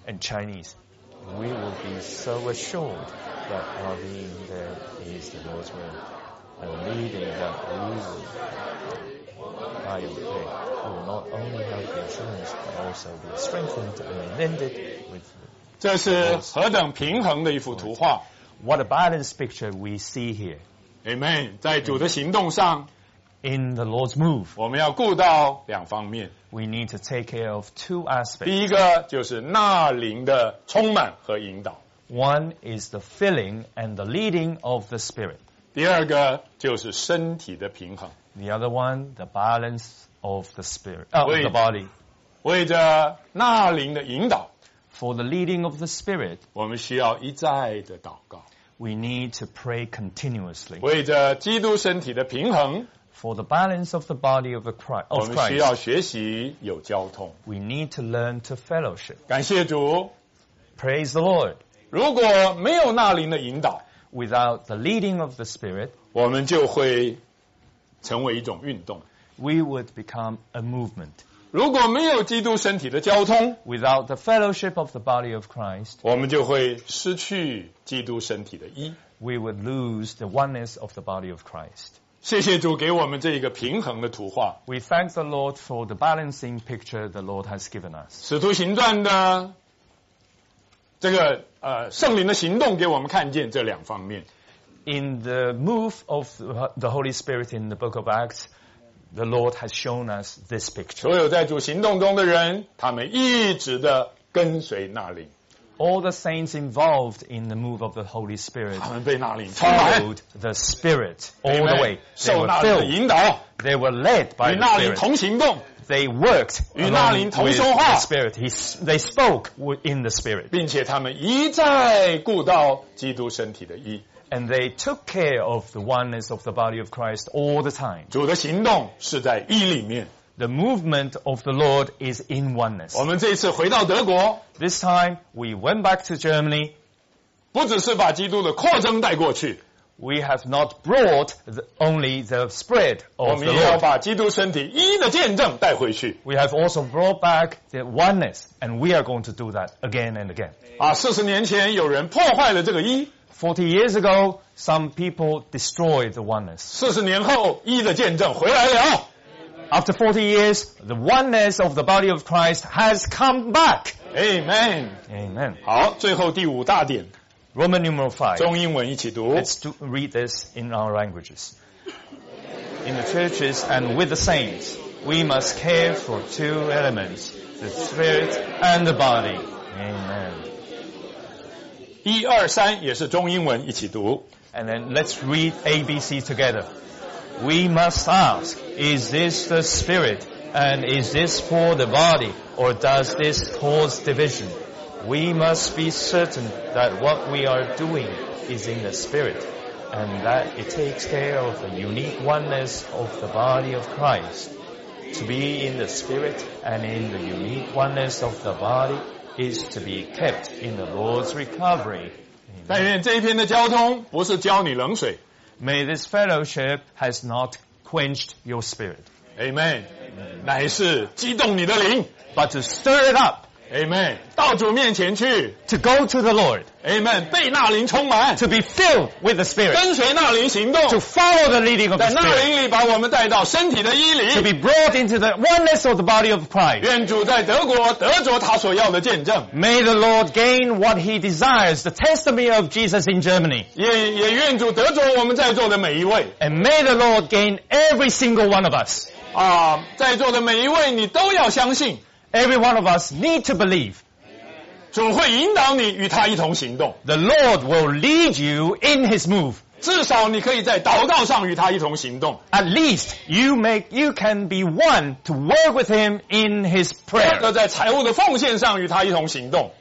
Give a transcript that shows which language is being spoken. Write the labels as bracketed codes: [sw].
[en] and Chinese. We will be so assured that our being there is the Lord's will, a leading that we will child of faith, who will not only have the assurance, but also be strengthened and amended with the Lord. [zh] 这是何等平衡的一幅图画。 [en] What a balanced picture we see here. [zh] Amen. 在主的行动上。 [en] In the Lord's move. [zh] 我们要顾到两方面。 [en] We need to take care of two aspects. [zh] 第一个就是纳灵的充满和引导。 [en] One is the filling and the leading of the Spirit. [zh] 第二个就是身体的平衡。 [en] The other one, the balance of the Spirit, of the body. [zh] 为着纳灵的引导。 [en] For the leading of the Spirit, [zh] 我们需要一再的祷告。 [en] We need to pray continuously. [zh] 为着基督身体的平衡。 [en] For the balance of the body of Christ, [zh] 我们需要学习有交通。 [en] We need to learn to fellowship. [zh] 感谢主。 [en] Praise the Lord. [zh] 如果没有纳灵的引导。 [en] Without the leading of the Spirit, [zh] 我们就会成为一种运动。 [en] We would become a movement. [zh] 如果没有基督身体的交通。 [en] Without the fellowship of the body of Christ, [zh] 我们就会失去基督身体的一。 [en] We would lose the oneness of the body of Christ. [zh] 谢谢主给我们这一个平衡的图画。 [en] We thank the Lord for the balancing picture the Lord has given us. [zh] 使徒行传的这个圣灵的行动给我们看见这两方面。 [en] In the move of the Holy Spirit in the book of Acts, the Lord has shown us this picture. [zh] 所有在主行动中的人，他们一直的跟随纳灵。 [en] All the saints involved in the move of the Holy Spirit followed the Spirit all the way. They were filled. They were led by the Spirit. [zh] 与纳灵同行动。 [en] They worked with the Spirit. They spoke in the Spirit. [zh] 并且他们一再顾到基督身体的一。 [en] And they took care of the oneness of the body of Christ all the time. [zh] 主的行动是在一里面。 [en] The movement of the Lord is in oneness. [zh] 我们这次回到德国。 [en] This time, we went back to Germany. [zh] 不只是把基督的扩张带过去。 [en] We have not brought only the spread of the Lord. [zh] 我们也要把基督身体一的见证带回去。 [en] We have also brought back the oneness, and we are going to do that again and again. [zh] 啊，四十年前有人破坏了这个一。 [en] 40 years ago, some people destroyed the oneness. [zh] 四十年后，一的见证回来了。 [en] After 40 years, the oneness of the body of Christ has come back. Amen. Amen. [zh] 好，最后第五大点。 [en] Roman numeral 5. [zh] 中英文一起读。 [en] Let's read this in our languages. In the churches and with the saints, we must care for two elements, the spirit and the body. Amen. [zh] 一二三也是中英文一起读。 [en] And then let's read ABC together. We must ask, is this the spirit, and is this for the body, or does this cause division? We must be certain that what we are doing is in the spirit, and that it takes care of the unique oneness of the body of Christ. To be in the spirit and in the unique oneness of the body is to be kept in the Lord's recovery. [zh] 但愿这一篇的交通不是浇你冷水。 [en] May this fellowship has not quenched your spirit. [zh] Amen. 乃是激动你的灵。 [en] But to stir it up. [zh] Amen. 到主面前去。 [en] To go to the Lord. [zh] Amen. 被纳灵充满。 [en] To be filled with the spirit. [zh] 跟随纳灵行动。 [en] To follow the leading of the spirit. [zh] 在纳灵里把我们带到身体的一里。 [en] To be brought into the oneness of the body of Christ. [zh] 愿主在德国得着他所要的见证。 [en] May the Lord gain what he desires, the testimony of Jesus in Germany. [zh] 也愿主得着我们在座的每一位。 [en] And may the Lord gain every single one of us. [zh] 啊，在座的每一位你都要相信。 [en] Every one of us need to believe. [zh] 主会引导你与他一同行动。 [en] The Lord will lead you in His move. [zh] 至少你可以在祷告上与他一同行动。 [en] At least you can be one to work with Him in His prayer. [zh] 或者在财务的奉献上与他一同行动。